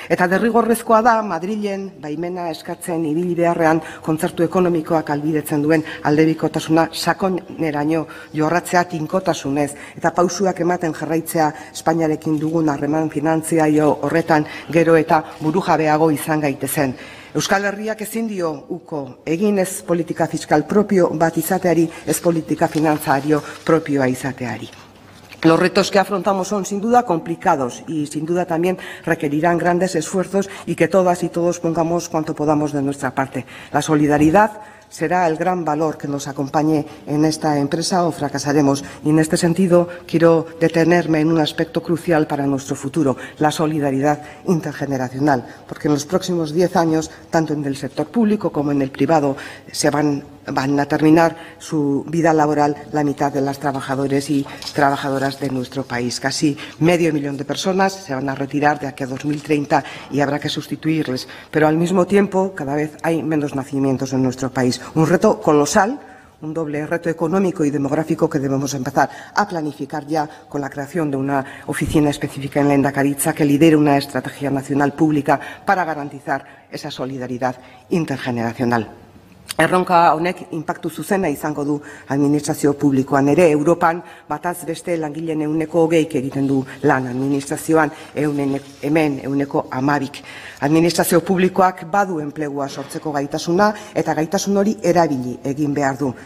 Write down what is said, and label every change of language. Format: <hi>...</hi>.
<eu>Eta derrigorrezkoa da Madrilen baimena eskatzen ibili beharrean kontzertu ekonomikoak albidetzen duen aldebikotasuna sakoneraino jorratzea inkotasunez eta pausuak ematen jarraitzea Espainiarekin dugun harreman finantziaio horretan gero eta burujabeago izan gaitezen. Euskal Herriak ezin dio uko egin ez politika fiskal propio bat izateari, ez politika finantzario propioa izateari.</eu> <es>Los retos que afrontamos son sin duda complicados y sin duda también requerirán grandes esfuerzos y que todas y todos pongamos cuanto podamos de nuestra parte. La solidaridad será el gran valor que nos acompañe en esta empresa o fracasaremos. Y en este sentido quiero detenerme en un aspecto crucial para nuestro futuro, la solidaridad intergeneracional, porque en los próximos 10 años, tanto en el sector público como en el privado, se van a terminar su vida laboral la mitad de las trabajadores y trabajadoras de nuestro país. Casi 500.000 de personas se van a retirar de aquí a 2030 y habrá que sustituirles. Pero al mismo tiempo, cada vez hay menos nacimientos en nuestro país. Un reto colosal, un doble reto económico y demográfico que debemos empezar a planificar ya con la creación de una oficina específica en Lehendakaritza que lidere una estrategia nacional pública para garantizar esa solidaridad intergeneracional.</es> <eu>Erronka honek inpaktu zuzena izango du administrazio publikoan ere. Europan bataz beste langileen 120 egiten du lan administrazioan, hemen 112. Administrazio publikoak badu enplegua sortzeko gaitasuna eta gaitasun hori erabili egin behar du.</eu>